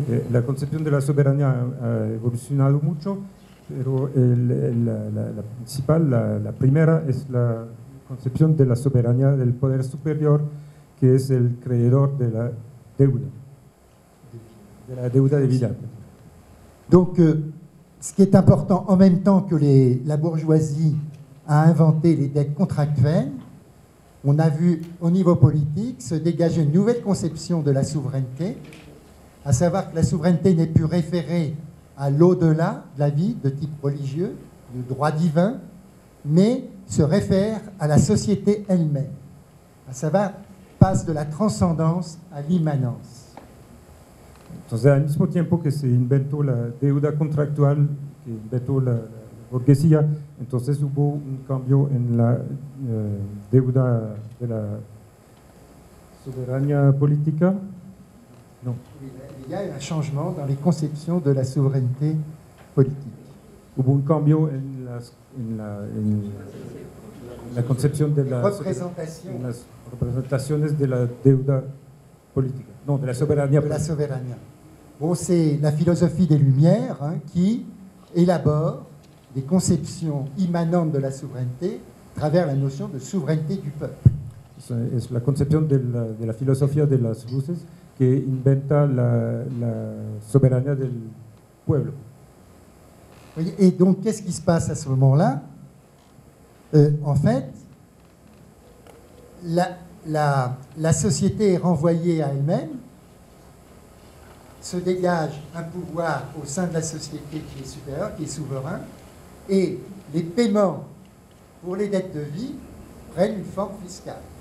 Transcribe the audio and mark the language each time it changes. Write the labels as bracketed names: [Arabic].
[Spanish] La concepción de la soberanía ha evolucionado mucho, pero la primera es la concepción de la soberanía del poder superior, que es el creador de la deuda, de la deuda de vida. [French] Donc, ce qui est important, en même temps que la bourgeoisie a inventé les dettes contractuelles, on a vu au niveau politique se dégager une nouvelle conception de la souveraineté, à savoir que la souveraineté n'est plus référée à l'au-delà de la vie, de type religieux, de droit divin, mais se réfère à la société elle-même. À savoir, passe de la transcendance à l'immanence. Donc, au même temps que [Spanish] se inventó la deuda contractual, que inventó la burguesía, entonces hubo un cambio en la deuda de la soberanía política. [French] Il y a un changement dans les conceptions de la souveraineté politique. [Spanish] Hubo un cambio en la concepción de la [French] représentation, [Spanish] las representaciones de la deuda política. [French] Non, [Spanish] de la soberanía. De la soberanía. [French] Bon, c'est la philosophie des Lumières hein, qui élabore des conceptions immanentes de la souveraineté à travers la notion de souveraineté du peuple. [Spanish] Es la concepción de la filosofía de las luces que inventa la soberanía del pueblo. [French] Et donc, qu'est-ce qui se passe à ce moment-là? En fait, la société est renvoyée à elle-même, se dégage un pouvoir au sein de la société qui est supérieur, qui est souverain, et les paiements pour les dettes de vie prennent une forme fiscale.